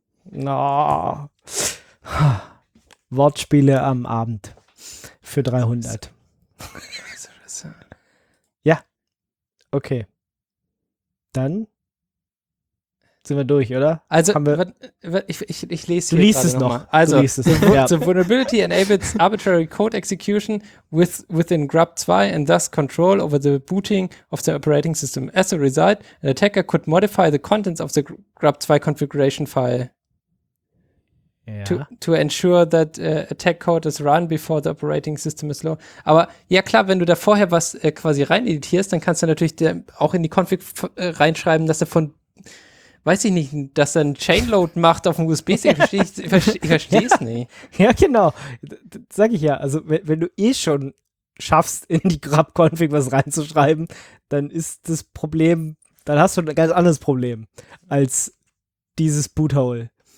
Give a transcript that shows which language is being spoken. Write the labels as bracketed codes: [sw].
[de] Na. No. Wortspiele am Abend. Für 300. Ja. Okay. Dann sind wir durch, oder? Also, ich lese hier. Du liest es noch. [en] Also, the vulnerability enables arbitrary code execution within Grub 2 and thus control over the booting of the operating system. As a result, an attacker could modify the contents of the Grub 2 configuration file. [de] Ja. [en] To ensure that attack code is run before the operating system is low. [de] Aber ja klar, wenn du da vorher was quasi rein editierst, dann kannst du natürlich auch in die Config reinschreiben, dass er von, weiß ich nicht, dass er einen Chainload macht auf dem USB-Stick. Ich verstehe es nicht. Ja, genau. Das sag ich ja. Also wenn du eh schon schaffst, in die Grub-Config was reinzuschreiben, dann ist das Problem, dann hast du ein ganz anderes Problem als dieses Boothole.